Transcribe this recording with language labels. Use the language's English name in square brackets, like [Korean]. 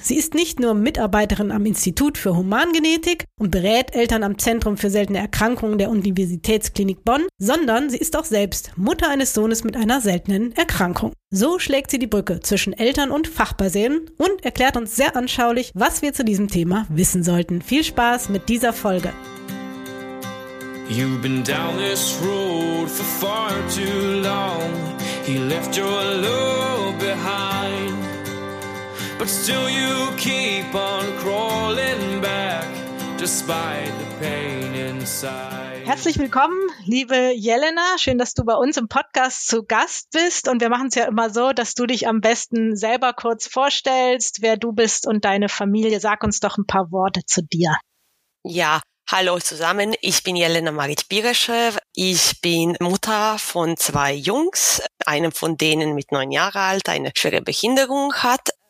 [German] Sie ist nicht nur Mitarbeiterin am Institut für Humangenetik und berät Eltern am Zentrum für seltene Erkrankungen der Universitätsklinik Bonn, sondern sie ist auch selbst Mutter eines Sohnes mit einer seltenen Erkrankung. So schlägt sie die Brücke zwischen Eltern und Fachpersonen und erklärt uns sehr anschaulich, was wir zu diesem Thema wissen sollten. Viel Spaß mit dieser Folge. [English] You've been down this road for far too long. He left your love behind. But still you keep on crawling back, despite the pain inside. [German] Herzlich willkommen, liebe Jelena. Schön, dass du bei uns im Podcast zu Gast bist. Und wir machen es ja immer so, dass du dich am besten selber kurz vorstellst, wer du bist und deine Familie. Sag uns doch ein paar Worte zu dir. Ja. Hallo zusammen, ich bin Jelena Marić-Birischew. Ich bin Mutter von 2 Jungs, einem von denen mit 9 Jahren alt eine schwere Behinderung hat.